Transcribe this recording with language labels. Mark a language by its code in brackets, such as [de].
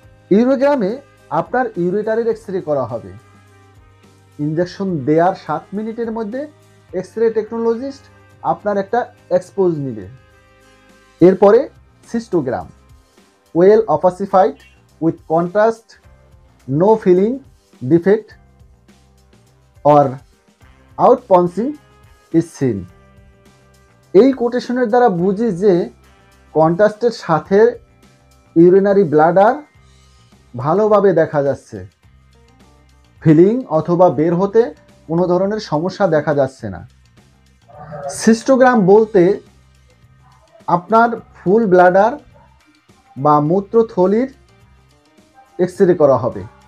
[bn] ইউরোগ্রামে আপনার ইউরেটারের এক্সরে করা হবে। ইঞ্জেকশন দেওয়ার 7 মিনিটের মধ্যে এক্সরে টেকনোলজিস্ট আপনার একটা এক্সপোজ নিবে। এরপরে সিস্টোগ্রাম, [en] Well opacified with contrast, no filling defect or outpouncing is seen. [bn] এই কোটেশনের দ্বারা বুঝি যে কন্ট্রাস্টের সাথে ইউরিনারি ব্লাডার ভালোভাবে দেখা যাচ্ছে, ফিলিং অথবা বের হতে কোনো ধরনের সমস্যা দেখা যাচ্ছে না। সিস্টোগ্রাম বলতে আপনার ফুল ব্লাডার বা মূত্রথলির এক্সরে করা হবে।